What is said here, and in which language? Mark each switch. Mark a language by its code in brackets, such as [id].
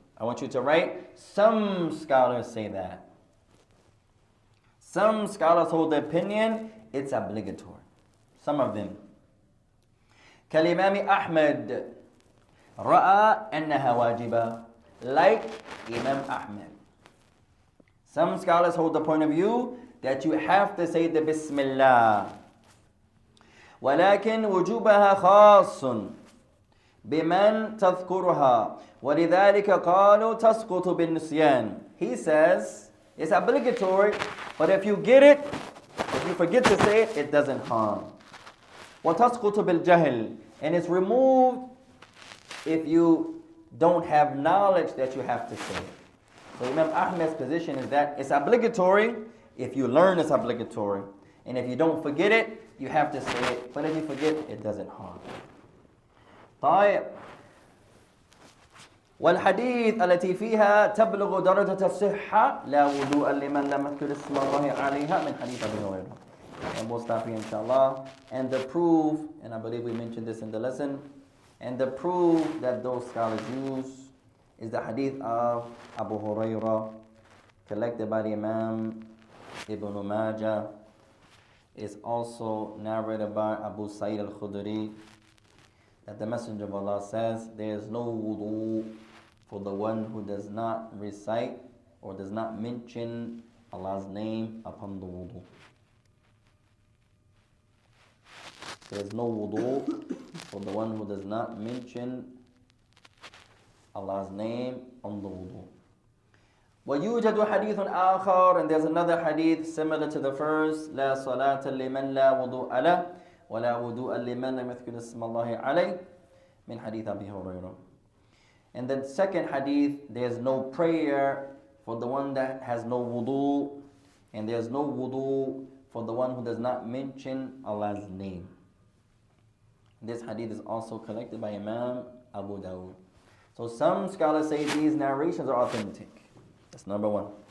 [en] I want you to write, some scholars say that. Some scholars hold the opinion, it's obligatory. Some of them. [ar] Kalimami Ahmed, Ra'a annaha wajiba, [en] like Imam Ahmed. Some scholars hold the point of view that you have to say the Bismillah. [ar] ولكن وجوبها خاص بمن تذكرها ولذلك قالوا تسقط بالنسيان. [en] He says it's obligatory, but if you get it, if you forget to say it, it doesn't harm. [ar] وتسقط بالجهل, [en] and it's removed if you don't have knowledge that you have to say it. So Imam Ahmed's position is that it's obligatory. If you learn, it's obligatory, and if you don't forget it, you have to say it, but if you forget, it doesn't harm. [ar] طيب. والحديث التي فيها تبلغ درجة الصحة لا وضوء لمن لم يذكر اسم الله عليها من حديث أبي هريرة. [en] And we'll stop here, inshallah. And the proof, and I believe we mentioned this in the lesson, and the proof that those scholars use is the hadith of Abu Hurairah, collected by the Imam Ibn Majah. Is also narrated by Abu Sa'id al-Khudri that the Messenger of Allah says there is no wudu for the one who does not recite or does not mention Allah's name upon the wudu. There is no wudu for the one who does not mention Allah's name on the wudu. [ar] ويوجد حديث آخر, [en] and there's another hadith similar to the first, [ar] لا صلاة لمن لا وضوء له ولا وضوء لمن لم يذكر اسم الله عليه من حديث أبي هريرة. [en] And then second hadith, there's no prayer for the one that has no wudu, and there's no wudu for the one who does not mention Allah's name. This hadith is also collected by Imam Abu Dawud. So some scholars say these narrations are authentic. That's number one.